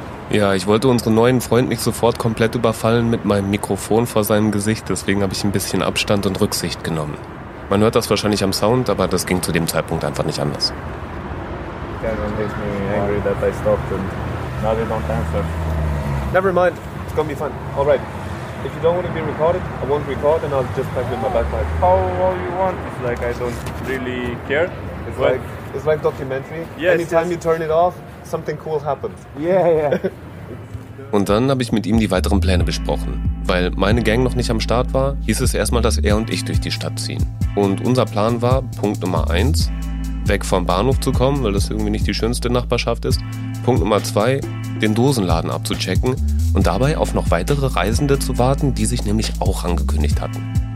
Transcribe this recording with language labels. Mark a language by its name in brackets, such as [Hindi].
[German] Ja, ich wollte unseren neuen Freund nicht sofort komplett überfallen mit meinem Mikrofon vor seinem Gesicht, deswegen habe ich ein bisschen Abstand und Rücksicht genommen. Man hört das wahrscheinlich am Sound, aber das ging zu dem Zeitpunkt einfach nicht anders. [English] Everyone makes me angry that I stopped and now they don't answer. Never mind, it's gonna be fun. All right. If you don't want to be recorded, I won't record and I'll just pack with my backpack. How you want? It's like I don't really care. It's like documentary. Yes, anytime you turn it off, something cool happens. Yeah. [German] Und dann habe ich mit ihm die weiteren Pläne besprochen. Weil meine Gang noch nicht am Start war, hieß es erstmal, dass er und ich durch die Stadt ziehen. Und unser Plan war, Punkt Nummer 1, weg vom Bahnhof zu kommen, weil das irgendwie nicht die schönste Nachbarschaft ist. Punkt Nummer 2, den Dosenladen abzuchecken und dabei auf noch weitere Reisende zu warten, die sich nämlich auch angekündigt hatten.